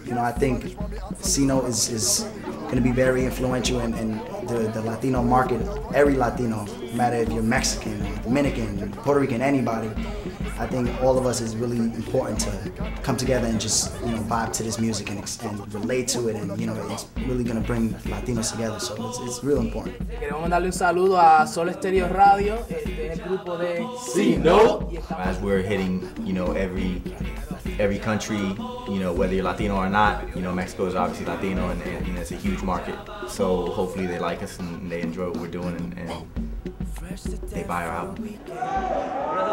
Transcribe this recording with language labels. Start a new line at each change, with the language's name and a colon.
English: You know, I think Cnote is gonna be very influential in the Latino market. Every Latino, no matter if you're Mexican, Dominican, Puerto Rican, anybody, I think all of us is really important to come together and just, you know, vibe to this music and relate to it. And, you know, it's really gonna bring Latinos together. So it's real important.
Spanish: Queremos mandarle un saludo a Sol Stereo Radio, el grupo de Cnote.
English: As we're hitting, you know, every country, you know, whether you're Latino or not, you know, Mexico is obviously Latino and it's a huge market. So hopefully they like us and they enjoy what we're doing and they buy our album.